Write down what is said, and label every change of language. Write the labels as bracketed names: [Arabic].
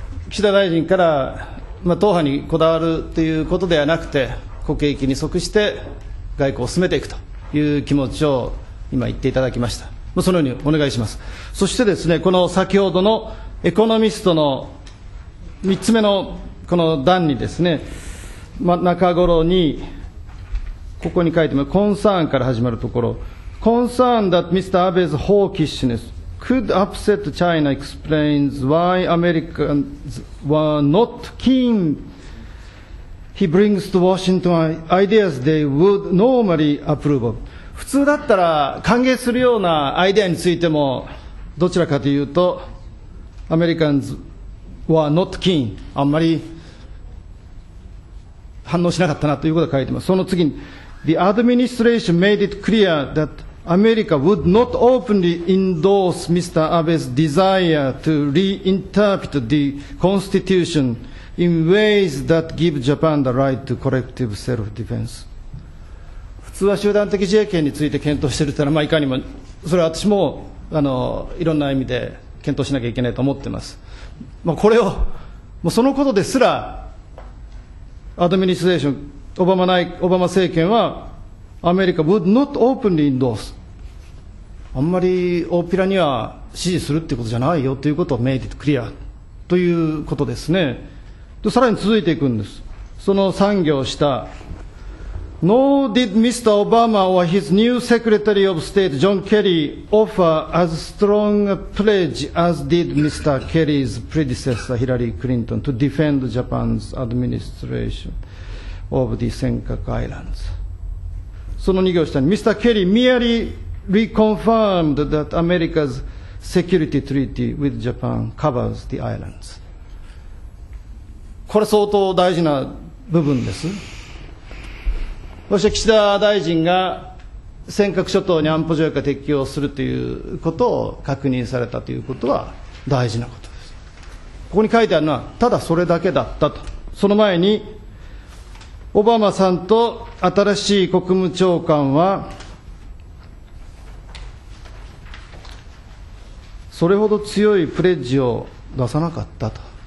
[Japanese] 岸田大臣から、まあ、党派にこだわるということではなくて、国益に即して外交を進めていくという気持ちを今言っていただきました。まあ、そのようにお願いします。そしてですね、この先ほどのエコノミストの3つ目のこの段にですね、まあ、中頃にここに書いてもコンサーンから始まるところ、コンサーン [English] that Mr. Abe's hawkishness could upset China explains why Americans were not keen he brings to Washington ideas they would normally approve of。 [Japanese] 普通だったら歓迎するようなアイデアについても、どちらかというと [English] Americans were not keen、 [Japanese] あんまり反応しなかったなということが書いています。その次に、 [English] The administration made it clear that America would not openly endorse Mr. Abe's desire to reinterpret the Constitution in ways that give Japan the right to collective self-defense. [Japanese] 普通は集団的自衛権について検討しているというのは、いかにも、それは私もいろんな意味で検討しなきゃいけないと思っています。これを、そのことですら、アドミニストレーション、オバマ政権は、アメリカ [English] would not openly endorse、 [Japanese] あんまり大っぴらには支持するってことじゃないよということを [English] made it clear [Japanese] ということですね。でさらに続いていくんです。その産業した [English] Nor did Mr. Obama or his new Secretary of State John Kerry offer as strong a pledge as did Mr. Kerry's predecessor Hillary Clinton to defend Japan's administration of the Senkaku Islands。 [Japanese] その2行下に、 [English] Mr. Kerry merely reconfirmed that America's security treaty with Japan covers the islands。 [Japanese] これ相当大事な部分です。そして岸田大臣が尖閣諸島に安保条約が適用するということを確認されたということは大事なことです。ここに書いてあるのはただそれだけだったと。その前にオバマさんと新しい国務長官はそれほど強いプレッジを出さなかったと。